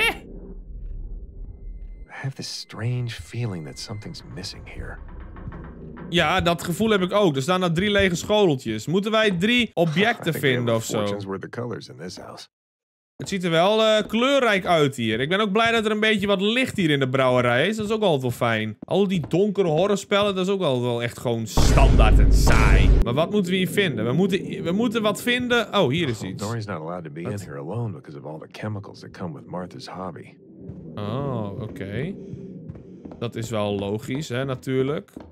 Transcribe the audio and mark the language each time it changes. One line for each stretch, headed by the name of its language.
English: I have this strange feeling that something's missing here.
Dutch: Ja, dat gevoel heb ik ook. Er staan daar drie lege schoteltjes. Moeten wij drie objecten vinden of zo?
English: Were the colors in this house.
Dutch: Het ziet er wel kleurrijk uit hier. Ik ben ook blij dat er een beetje wat licht hier in de brouwerij is. Dat is ook altijd wel fijn. Al die donkere horrorspellen, dat is ook altijd wel echt gewoon standaard en saai. Maar wat moeten we hier vinden? We moeten wat vinden. Oh, hier is iets.
English: Dory's not allowed to be in here alone because of all the chemicals that come with Martha's hobby.
Dutch: Oh, oké. Dat is wel logisch, hè, natuurlijk.